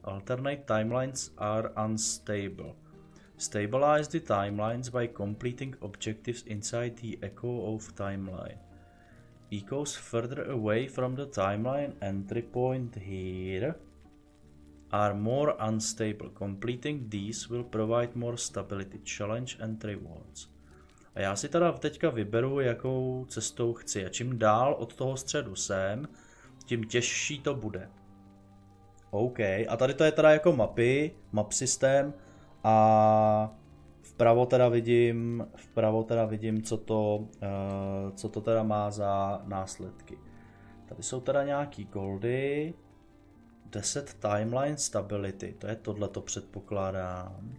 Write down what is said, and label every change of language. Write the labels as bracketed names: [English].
[English] Alternate timelines are unstable. Stabilize the timelines by completing objectives inside the Echo of Timeline. Echoes further away from the timeline entry point here are more unstable. Completing these will provide more stability, challenge and rewards. [Czech] A já si teda teďka vyberu, jakou cestou chci. A čím dál od toho středu jsem, tím těžší to bude. OK, a tady to je teda jako mapy, map systém. A vpravo teda vidím, co to teda má za následky. Tady jsou teda nějaký goldy. 10 [English] timeline stability, [Czech] to je tohle, to předpokládám.